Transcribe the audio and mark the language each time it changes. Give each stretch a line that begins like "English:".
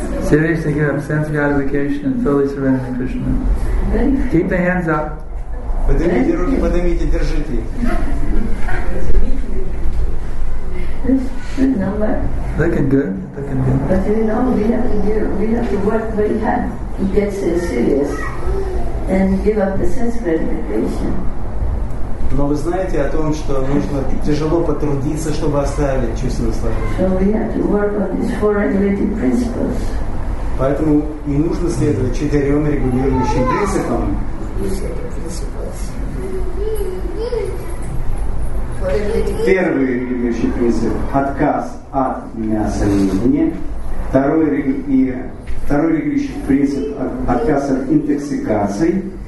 English: Seriously give up sense gratification and fully surrender to Krishna. Keep the hands up.
Russian: Поднимите руки, поднимите, держите.
English: Looking good, looking good. But you know, we have to work very hard to get so serious and give up the sense gratification.
Russian: Но вы знаете о том, что нужно тяжело потрудиться, чтобы оставить чувство наслаждения.
English: So we have to work on these four regulating principles.
Russian: Поэтому не нужно следовать четырем регулирующим принципам. Первый регулирующий принцип – отказ от мяса и вине. Второй регулирующий принцип – отказ от интоксикации.